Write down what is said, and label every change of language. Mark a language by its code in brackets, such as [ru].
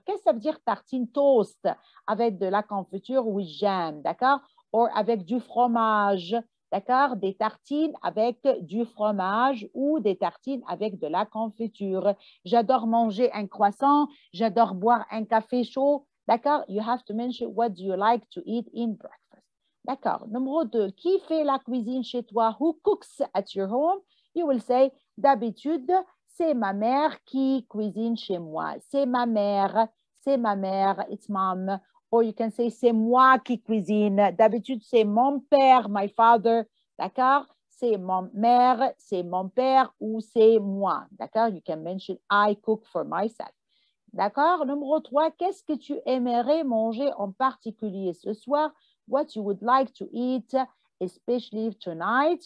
[fr] Qu'est-ce que ça veut dire tartine toast avec de la confiture ou jam, d'accord? Ou avec du fromage, d'accord? Des tartines avec du fromage ou des tartines avec de la confiture. J'adore manger un croissant, j'adore boire un café chaud, d'accord? [en] You have to mention what you like to eat in breakfast. [fr] D'accord. Numéro 2, qui fait la cuisine chez toi? [en] Who cooks at your home? You will say, [fr] d'habitude, c'est ma mère qui cuisine chez moi. C'est ma mère, [en] it's mom. Or you can say, [fr] c'est moi qui cuisine. D'habitude, c'est mon père, [en] my father, [fr] d'accord? c'est ma mère, c'est mon père ou c'est moi. D'accord? [en] You can mention I cook for myself. [fr] D'accord? Numéro 3, qu'est-ce que tu aimerais manger en particulier ce soir? [en] What you would like to eat, especially tonight?